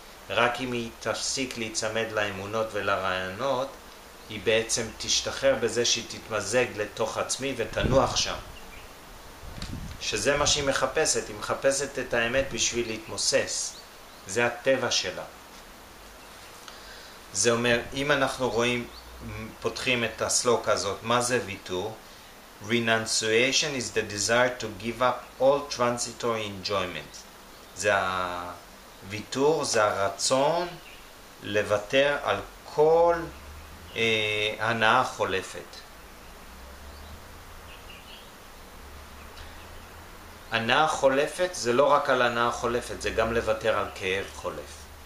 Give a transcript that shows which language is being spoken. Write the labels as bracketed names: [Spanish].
[Hebrew] רק אם היא תפסיק להיצמד לאמונות ולרעיונות, היא בעצם תשתחרר בזה שהיא תתמזג לתוך עצמי ותנוח שם. שזה מה שהיא מחפשת, היא מחפשת את האמת בשביל להתמוסס. זה הטבע שלה. זה אומר, אם אנחנו רואים, פותחים את הסלוק הזאת, מה זה ויתור? [English] Renunciation is the desire to give up all transitory enjoyment. [Hebrew] זה הוויתור, זה הרצון לוותר על כל הנאה חולפת. הנאה חולפת זה לא רק על הנאה חולפת, זה גם לוותר על כאב חולף.